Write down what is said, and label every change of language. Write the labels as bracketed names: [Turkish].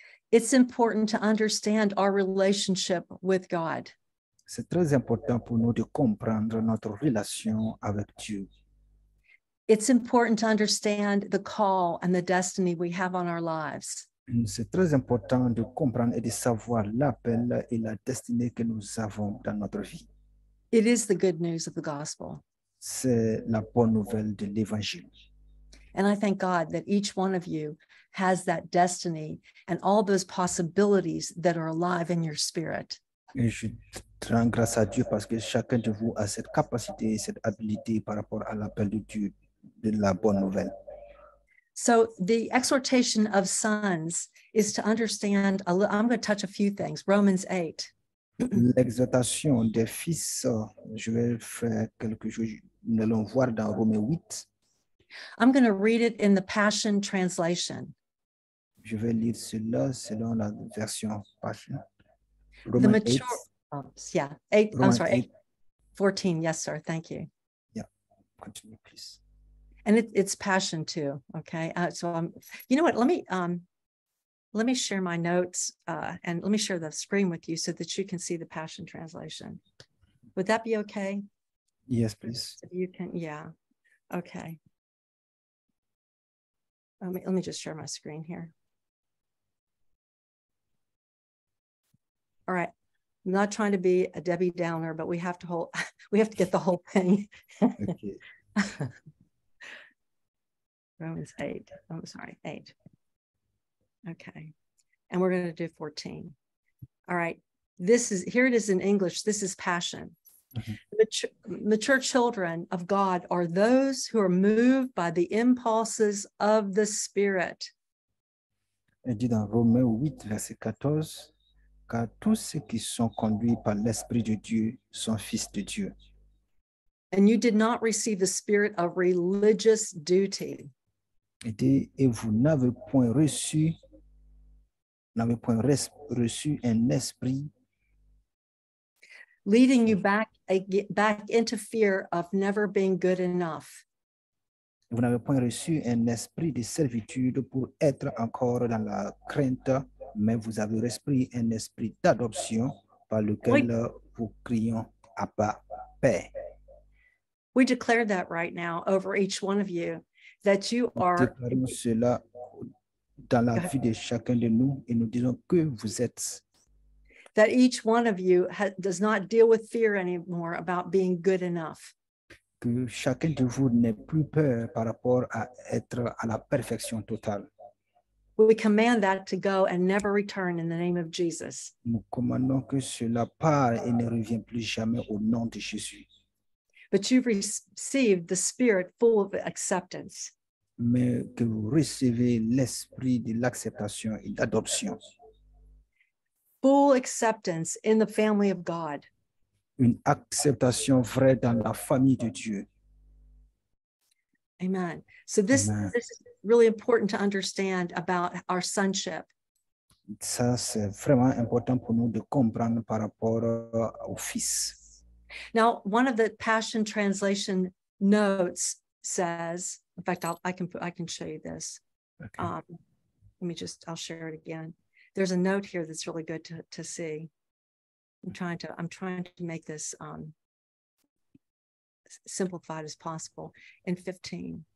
[English] It's important to understand our relationship with God. [French] C'est très important pour nous de comprendre notre relation avec Dieu. [English] It's important to understand the call and the destiny we have on our lives. [French] C'est très important de comprendre et de savoir l'appel et la destinée que nous avons dans notre vie. [English] It is the good news of the gospel. [French] C'est la bonne nouvelle de l'évangile. [English] And I thank God that each one of you has that destiny and all those possibilities that are alive in your spirit. [French] Et je rends grâce à Dieu parce que chacun de vous a cette capacité, cette habilité par rapport à l'appel de Dieu. De la bonne nouvelle. [English] So the exhortation of sons is to understand, I'm going to touch a few things, Romans 8. [French] L'exhortation des fils, je vais faire quelque chose, nous allons voir dans Romains 8. [English] I'm going to read it in the Passion Translation. [French] Je vais lire cela selon la version Passion. [English] Romains 8. Eight. 14, yes sir, thank you. Yeah, continue please. And it's passion too, okay? You know what, let me share my notes and let me share the screen with you so that you can see the Passion Translation. Would that be okay? Yes, please. You can, yeah, okay. Let me just share my screen here. All right, I'm not trying to be a Debbie Downer, but we have to get the whole thing. Okay. Romans 8, I'm sorry, 8. Okay, and we're going to do 14. All right, here it is in English, this is passion. Mm-hmm. Mature children of God are those who are moved by the impulses of the Spirit. [French] Et dit dans Romains 8, verset 14, car tous ceux qui sont conduits par l'Esprit de Dieu sont fils de Dieu. [English] And you did not receive the spirit of religious duty. [French] Et vous n'avez point reçu un esprit [English] leading you back into fear of never being good enough. [French] Vous n'avez point reçu un esprit de servitude pour être encore dans la crainte, mais vous avez reçu un esprit d'adoption par lequel vous crions Abba, paix. [English] We declare that right now over each one of you, that you are. [French] Nous déclarons cela dans la vie de chacun de nous et nous disons que vous êtes. [English] That each one of you does not deal with fear anymore about being good enough. [French] Que chacun de vous n'ait plus peur par rapport à être à la perfection totale. [English] We command that to go and never return in the name of Jesus. [French] Nous commandons que cela part et ne revient plus jamais au nom de Jésus. [English] But you've received the spirit full of acceptance. [French] Mais que vous recevez l'esprit de l'acceptation et d'adoption. [English] Full acceptance in the family of God. [French] Une acceptation vraie dans la famille de Dieu. [English] Amen. So this is really important to understand about our sonship. [French] Ça, c'est vraiment important pour nous de comprendre par rapport au fils. [English] Now, one of the Passion Translation notes says, in fact, I can show you this. Okay. I'll share it again. There's a note here that's really good to see. I'm trying to make this simplified as possible in 15.